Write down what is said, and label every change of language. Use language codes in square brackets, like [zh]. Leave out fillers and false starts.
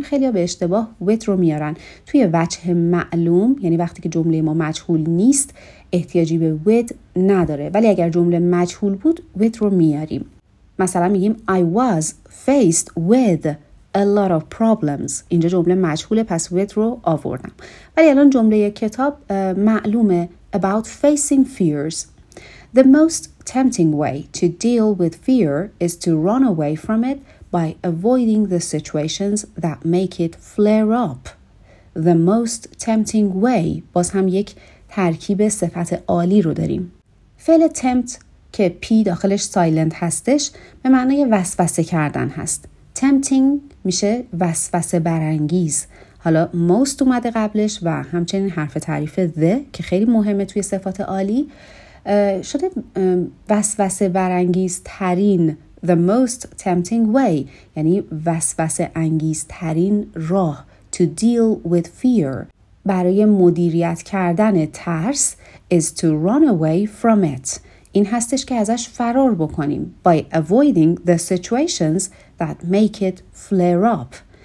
[fa] خیلی ها به اشتباه with رو میارن. توی وجه معلوم، یعنی وقتی که جمله ما مجهول نیست، احتیاجی به with نداره، ولی اگر جمله مجهول بود with رو میاریم. مثلا میگیم [en] I was faced with a lot of problems. [fa] اینجا جمله مجهوله، پس with رو آوردم. ولی الان جمله کتاب معلومه، [en] about facing fears. The most tempting way to deal with fear is to run away from it by avoiding the situations that make it flare up. The most tempting way. [fa] باز هم یک ترکیب صفت عالی رو داریم. فعل tempt که پی داخلش سایلنت هستش به معنی وسوسه کردن هست. Tempting میشه وسوسه برانگیز. حالا most اومده قبلش و همچنین حرف تعریف the که خیلی مهمه توی صفات عالی، شده وسوسه برانگیز ترین، [en] the most tempting way، [fa] یعنی وسوسه انگیز ترین راه، [en] to deal with fear، [fa] برای مدیریت کردن ترس، [en] is to run away from it، [fa] این هستش که ازش فرار بکنیم، [en] by avoiding the situations that make it flare up.